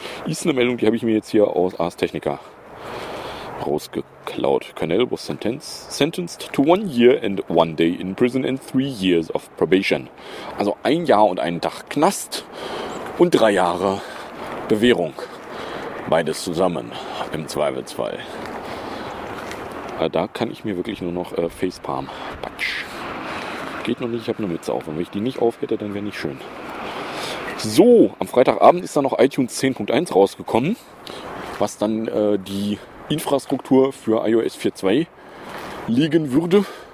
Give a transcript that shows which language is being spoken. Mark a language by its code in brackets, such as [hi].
[de] Ist eine Meldung, die habe ich mir jetzt hier aus Ars Technica rausgeklaut. [en] Cornell was sentenced to 1 year and 1 day in prison and 3 years of probation. [de] Also 1 Jahr und einen Tag Knast und 3 Jahre Bewährung. Beides zusammen im Zweifelsfall. Da kann ich mir wirklich nur noch Facepalm. Patsch. Geht noch nicht, ich habe eine Mütze auf. Und wenn ich die nicht auf hätte, dann wäre nicht schön. So, am Freitagabend ist dann noch iTunes 10.1 rausgekommen, was dann die Infrastruktur für iOS 4.2 legen würde.